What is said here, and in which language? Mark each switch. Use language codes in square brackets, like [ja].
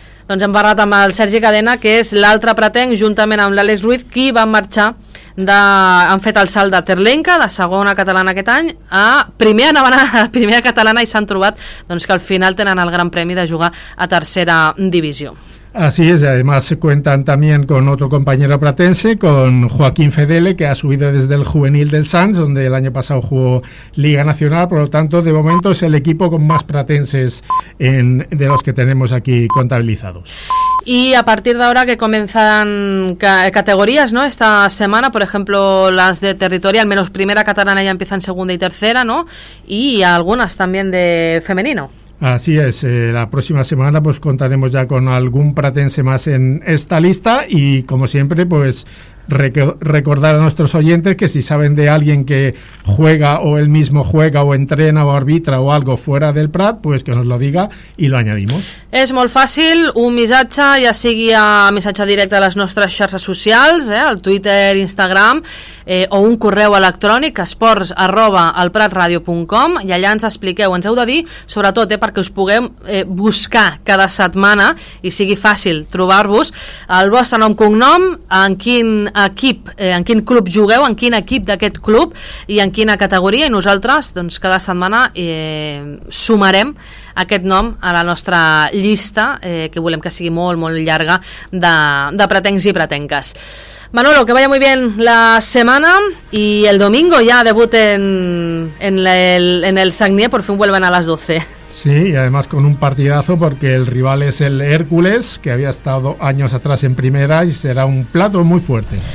[ca] Doncs hem parlat amb el Sergi Cadena, que és l'altre pretenc, juntament amb l'Àlex Ruiz, qui va marxar, han fet el salt de Terlenca, de segona catalana aquest any, a primera catalana, i s'han trobat doncs que al final tenen el gran premi de jugar a tercera divisió. [es] Así es, además cuentan también con otro compañero platense, con Joaquín Fedele, que ha subido desde el juvenil del Sants, donde el año pasado jugó Liga Nacional. Por lo tanto, de momento es el equipo con más pratenses de los que tenemos aquí contabilizados. Y a partir de ahora que comienzan categorías, ¿no? Esta semana, por ejemplo, las de territorio, al menos primera catalana ya empiezan segunda y tercera, ¿no? Y algunas también de femenino. Así es, la próxima semana pues contaremos ya con algún pratense más en esta lista, y como siempre pues recordar a nuestros oyentes que si saben de alguien que juega o él mismo juega o entrena o arbitra o algo fuera del Prat, pues que nos lo diga y lo añadimos. [ca] És molt fàcil, un missatge, ja sigui a missatge directe a les nostres xarxes socials, al Twitter, Instagram, o un correu electrònic, esports@elpratradio.com, i allà ens expliqueu, ens heu de dir, sobretot perquè us puguem buscar cada setmana i sigui fàcil trobar-vos, el vostre nom, cognom, en quin equip, en quin club jugueu, en quin equip d'aquest club i en quina categoria, i nosaltres doncs cada setmana sumarem aquest nom a la nostra llista, que volem que sigui molt molt llarga, de pretencs i pretenques. [es] Manolo, que vaya muy bien la semana, y el domingo ya debut en el Sagnier, por fin vuelven a las 12. Sí, y además con un partidazo, porque el rival es el Hércules, que había estado años atrás en primera, y será un plato muy fuerte.